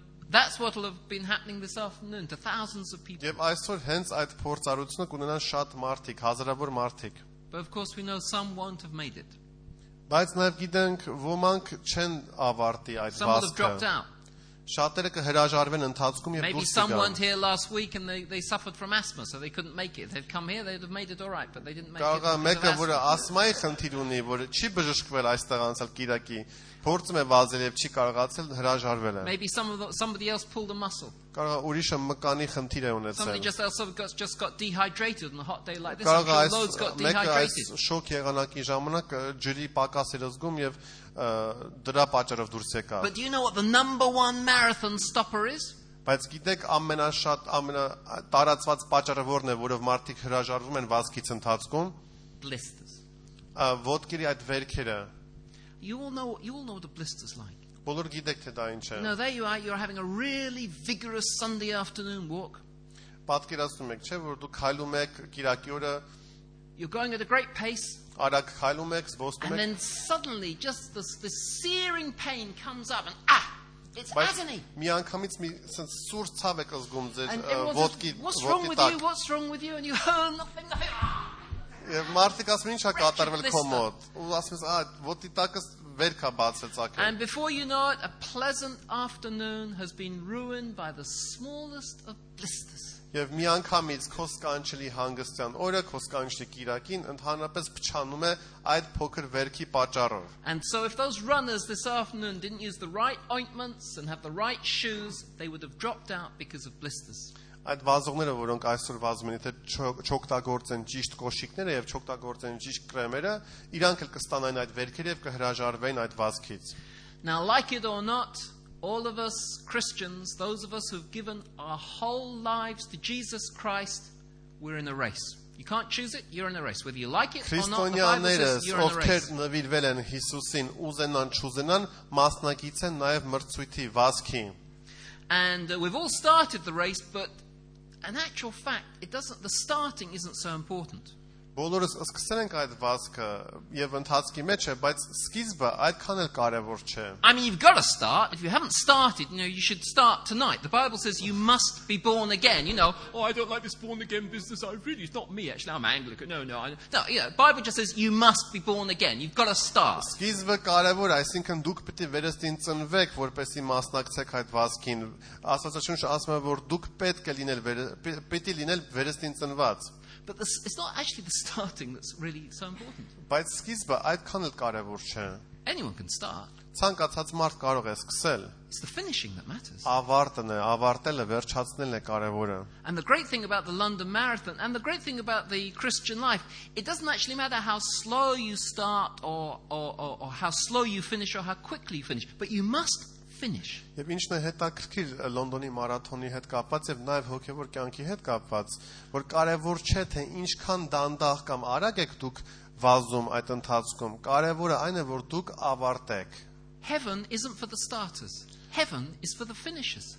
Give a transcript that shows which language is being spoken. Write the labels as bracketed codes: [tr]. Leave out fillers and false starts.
[en] That's what will have been happening this afternoon to thousands of people. [hy] Եվ այսօր հենց այդ փորձառությունը կունենան շատ մարդիկ, հազարավոր մարդիկ. [en] But of course we know some won't have made it. [hy] Բայց նաև գիտենք, ոմանք չեն ավարտի այդ վարկը. Շատերը կհրաժարվեն ընթացքում եւ դուրս կգան. [en] Maybe some weren't here last week and they suffered from asthma so they couldn't make it. They've come here, they'd have made it all right, but they didn't make it. [hy] Կարող է մեկը, որը ասթմայի խնդիր ունի, որը չի բժշկվել այստեղ անցալ Կիրակի, փորձում է վազել եւ չի կարողացել հրաժարվել. [en] Maybe somebody else pulled a muscle. [hy] Կարող է ուրիշը մկանի խնդիր է ունեցել. [en] Somebody just got dehydrated on a hot day like this. [hy] Կարող է մեկը շոկ եղանակի ժամանակ ջրի պակաս էր զգում եւ դրա պատճառով դուրս եկա. [en] But do you know what the number one marathon stopper is? [hy] Բայց գիտեք ամենաշատ ամենատարածված պատճառը որն է, որով մարդիկ հրաժարվում են վազքից ընթացքում? [en] Blisters. [hy] Ոտքերի այդ վերքերը. [en] You all know what the blisters like. [hy] Բոլոր գիտեք թե դա ինչ է. [en] No, there you are, you're having a really vigorous Sunday afternoon walk. [hy] Պատկերացնում եք, չէ՞, որ դու քայլում եք Կիրակի օրը. [en] You're going at a great pace. [hy] Արագ քայլում եք, զբոսնում եք. [en] And then suddenly just the searing pain comes up and ah, it's agony. [hy] Մի անգամից մի սենց սուր ցավ եք զգում ձեր ոտքի տակ. [en] What's wrong with you? What's wrong with you? And you hear nothing. [hy] Եվ մարդիկ ասում ինչա կատարվել քո մոտ։ Ու ասում ես, ա, ոտի տակը վեր կա բացել ցակը։ [en] And before you know it, a pleasant afternoon has been ruined by the smallest of blisters. [hy] Եվ մի անգամից քո սկանչելի հանգստյան օրը, քո սկանչելի Կիրակին ընդհանրապես փչանում է այդ փոքր վերքի պատճառով։ [en] And so if those runners this afternoon didn't use the right ointments and have the right shoes, they would have dropped out because of blisters. [hy] Այդ վազողները, որոնք այսօր վազում են, եթե չօգտագործեն ճիշտ կոշիկները եւ չօգտագործեն ճիշտ կրեմերը, իրանք էլ կստանան այդ վերքերը եւ կհրաժարվեն այդ վազքից։ [en] Now like it or not, all of us Christians, those of us who've given our whole lives to Jesus Christ, we're in a race. You can't choose it, you're in a race. Whether you like it or not, [hy] Քրիստոնյաներս, ովքեր նվիրվել են Հիսուսին, ուզենան չուզենան, մասնակից են նաեւ մրցույթի վազքի։ [en] And we've all started the race, but in actual fact, the starting isn't so important. [hy] Բոլորս սկսենք այդ վազքը եւ ընթացքի մեջ է, բայց սկիզբը այդքան էլ կարեվոր չէ. [en] I mean, you've got to start. If you haven't started, you know, you should start tonight. The Bible says you must be born again, you know. Oh, I don't like this born again business. I really, it's not me actually. I'm Anglican. No. No, you know, the Bible just says you must be born again. You've got to start. [hy] Սկիզբը կարեվոր է, այսինքն դուք պետք է վերստին ծնվեք, որպեսզի մասնակցեք այդ վազքին։ Աստվածաշունչը ասում է, որ դուք պետք է լինել վերստին ծնված։ [en] But this, it's not actually the starting that's really so important. [hy] Բայց սկիզբը այդքան էլ կարևոր չէ. [en] Anyone can start. [hy] Ցանկացած մարդ կարող է սկսել. [en] It's the finishing that matters. [hy] Ավարտն է, ավարտելը, վերջացնելն է կարևորը. [en] And the great thing about the London Marathon and the great thing about the Christian life, it doesn't actually matter how slow you start or how slow you finish or how quickly you finish, but you must finish. [hy] Եվ ինչն է հետաքրքիր Լոնդոնի մարաթոնի հետ կապված եւ նաեւ հոգեվոր կյանքի հետ կապված, որ կարեւոր չէ թե ինչքան դանդաղ կամ արագ եք դուք վազում այդ ընթացքում, կարեւորը այն է, որ դուք ավարտեք։ [en] Heaven isn't for the starters. Heaven is for the finishers.